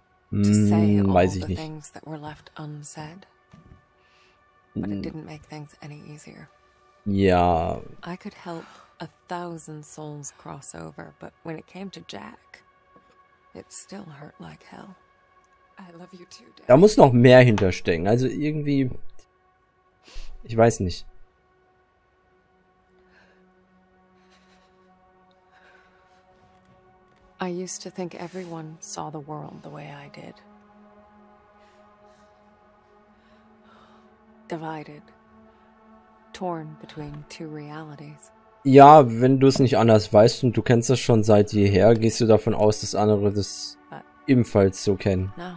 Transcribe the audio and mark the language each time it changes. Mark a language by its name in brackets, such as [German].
[German] Weiß ich nicht. [English] Things that were left unsaid. But it didn't make things any easier. [German] Ja. [English] I could help a thousand souls cross over, but when it came to Jack, it still hurt like hell. I love you too, Dad. [German] Da muss noch mehr hinterstecken. Also irgendwie. Ich weiß nicht. [English] I used to think everyone saw the world the way I did. Divided. Torn between two realities. [German] Ja, wenn du es nicht anders weißt und du kennst das schon seit jeher, gehst du davon aus, dass andere das ebenfalls so kennen.